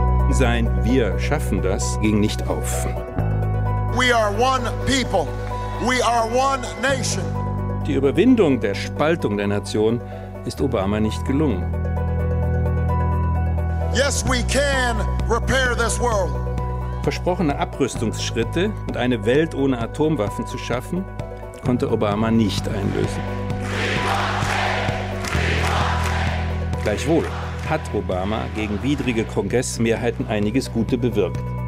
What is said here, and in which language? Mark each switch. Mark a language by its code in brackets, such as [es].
[de] Sein Wir schaffen das ging nicht auf. [en] We are one people. We are one nation. [de] Die Überwindung der Spaltung der Nation ist Obama nicht gelungen. [en] Yes, we can repair this world. [de] Versprochene Abrüstungsschritte und eine Welt ohne Atomwaffen zu schaffen, konnte Obama nicht einlösen. Gleichwohl hat Obama gegen widrige Kongressmehrheiten einiges Gute bewirkt.